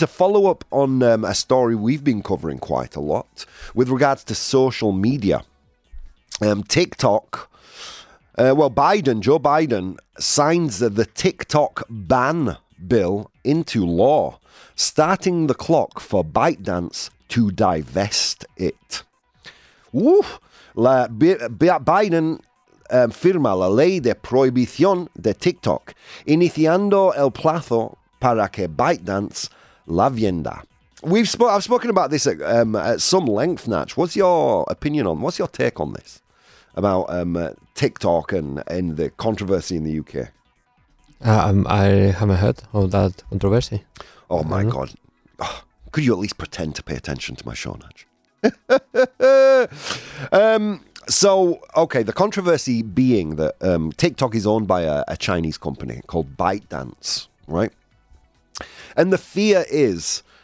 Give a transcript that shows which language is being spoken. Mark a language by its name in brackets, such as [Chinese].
[English] A follow-up on a story we've been covering quite a lot with regards to social media. TikTok. Joe Biden signs the TikTok ban bill into law, starting the clock for ByteDance to divest it. Woo! [Spanish] Biden firma la ley de prohibición de TikTok, iniciando el plazo para que ByteDance la vienda. [English] I've spoken about this at some length, Natch. What's your opinion on, what's your take on this about TikTok and the controversy in the UK? I haven't heard of that controversy. Oh my God. Oh, could you at least pretend to pay attention to my show, Natch? the controversy being that TikTok is owned by a Chinese company called ByteDance, right? And the fear is